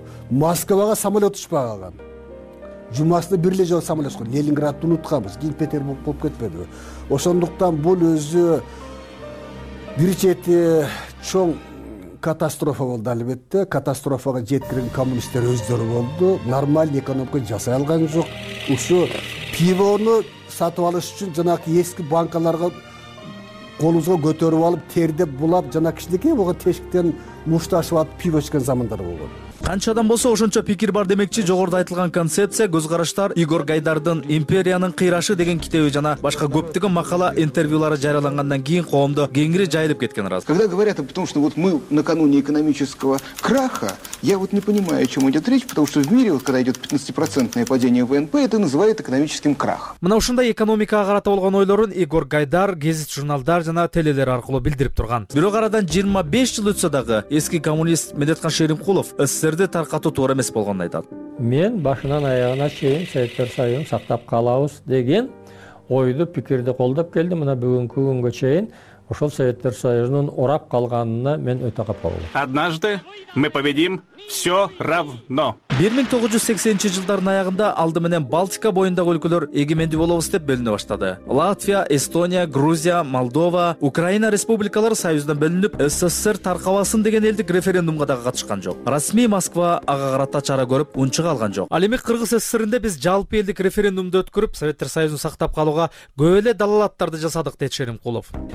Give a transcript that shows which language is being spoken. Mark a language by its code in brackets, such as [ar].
[ky] Москвага самолет учпай калган. Жумасына бир эле жолу самолет кон, Ленинградды унутканбыз, Кинг Петербург болуп кетпедиби? Ошондуктан бул өзү бир чети чоң катастрофа болду албетте. Катастрофага жеткирген коммунисттер өздөрү болду. Нормальный экономика жасай алган жок. Ушу пивону сатып алыш үчүн жанагы эски банкаларга колубузга көтөрүп алып, тердеп булап, жана кичинекей болгон тешиктен мушташып алып пиво ичкен замандар болгон. Канча адам болсо ошончо пикир бар демекчи, жогоруда айтылган концепция, көз караштар Игорь Гайдардын Империянын кыйрашы деген китеби жана башка көптөгөн макала интервьюлары жарыялангандан кийин коомдо кеңири жайылып кеткен раз. [ru] Когда говорят о том, что вот мы накануне экономического краха, я вот не понимаю, о чём идёт речь, потому что в мире, когда идёт 15% падение ВНП, это называют экономическим крахом. [ky] Мына ушундай экономикага карата болгон ойлорун Игорь Гайдар гезит журналдар жана телелер аркылуу билдирип турган. Бирок арадан 25 жыл өтсө дагы эски коммунист Медеткан Шеримкулов СССРди таркатуу туура эмес болгонун айтат. Мен башынан аягына чейин Советтер Союзун сактап калабыз деген ойду, пикирди колдоп келдим. Мына бүгүнкү күнгө чейин ошол Советтер Союзунун урап калганына мен өтө капа болом. [ru] Однажды мы победим, все равно. [ky] 1980 жылдардын аягында алды менен Балтика боюндагы өлкөлөр эгемендүү болобуз деп бөлүнө баштады. Латвия, Эстония, Грузия, Молдова, Украина республикалары союздан бөлүнүп, СССР таркабасын деген элдик референдумга дагы катышкан жок. Расмий Москва ага карата чара көрүп, унчуга алган жок. Ал эми Кыргыз СССРинде биз жалпы элдик референдумду өткөрүп, Советтер Союзун сактап калууга көп эле далалаттарды жасадык, деди Шеримкулов.